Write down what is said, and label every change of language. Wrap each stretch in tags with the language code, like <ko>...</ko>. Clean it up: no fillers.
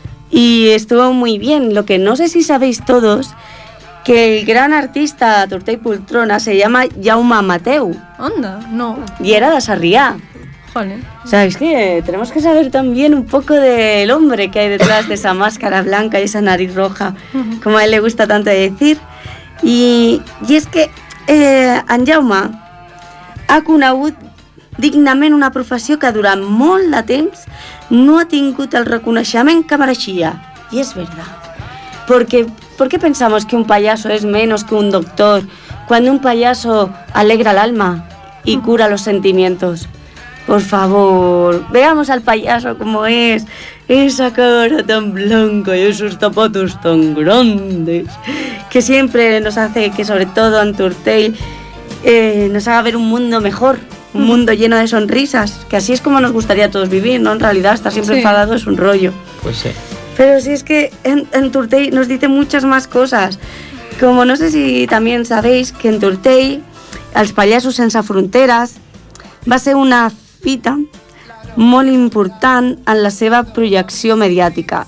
<es>Y estuvo muy bien. Lo que no sé si sabéis todos, que el gran artista Turtei Poltrona se llama Jaume Mateu. Anda, no. Y era de Sarrià. Joder. ¿Sabéis qué? Tenemos que saber también un poco del hombre que hay detrás de esa máscara blanca y esa nariz roja, como a él le gusta tanto decir. Y es que</es> <ca>en Jaume ha conegut dignament una professió que durant molt de temps no ha tingut el reconeixement que mereixia. I és veritat.</ca> <es>¿Por qué pensamos que un payaso es menos que un doctor cuando un payaso alegra el alma y cura los sentimientos? Por favor, veamos al payaso como es. Esa cara tan blanca y esos zapatos tan grandes que siempre nos hace que, sobre todo en Turtei, nos haga ver un mundo mejor, un mundo lleno de sonrisas, que así es como nos gustaría a todos vivir, ¿no? En realidad, estar siempre enfadado es un rollo. Pues sí. Pero si es que en Turtei nos dice muchas más cosas. Como no sé si también sabéis que en Turtei,</es> <ca>als Pallassos Sense Fronteres, va ser una fita molt important en la seva projecció mediàtica.</ca>